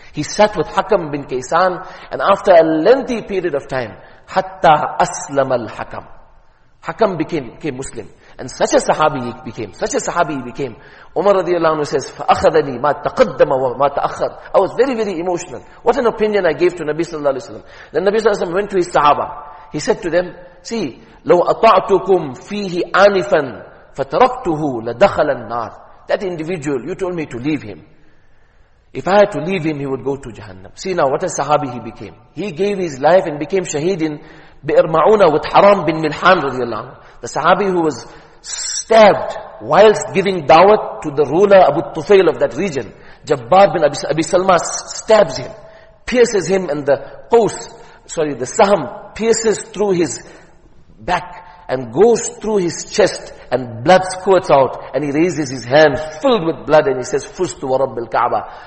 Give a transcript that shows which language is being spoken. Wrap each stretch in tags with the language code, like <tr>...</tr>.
<en>He sat with Hakam bin Kaysan, and after a lengthy period of time,</en> <ar>حَتَّى أَسْلَمَ الْحَكَمْ.</ar> <en>Hakam became Muslim. And such a sahabi he became. Umar radiallahu anhu says,</en> <ar>فَأَخَذَنِي مَا تَقَدَّمَ وَمَا تَأَخَّرَ.</ar> <en>I was very, very emotional. What an opinion I gave to Nabi sallallahu alayhi wa sallam. Then Nabi sallallahu alayhi wa sallam went to his sahaba. He said to them, see,</en> <ar>لَوْ أَطَعْتُكُمْ فِيهِ آنِفًا فَتَرَكْتُهُ لَدَخَلَ النَّارِ.</ar> <en>That individual, you told me to leave him. If I had to leave him, he would go to Jahannam. See now, what a sahabi he became. He gave his life and became shaheed in بِئْرْ مَعُونَ with Haram bin Milhan radiallahu anhu. The sahabi who was stabbed whilst giving dawat to the ruler Abu Tufail of that region, Jabbar bin Abi Salma stabs him, pierces him, and the saham pierces through his back and goes through his chest, and blood squirts out, and he raises his hand filled with blood and he says,</en> <ar>Fustu wa Rabbil Kaaba.</ar>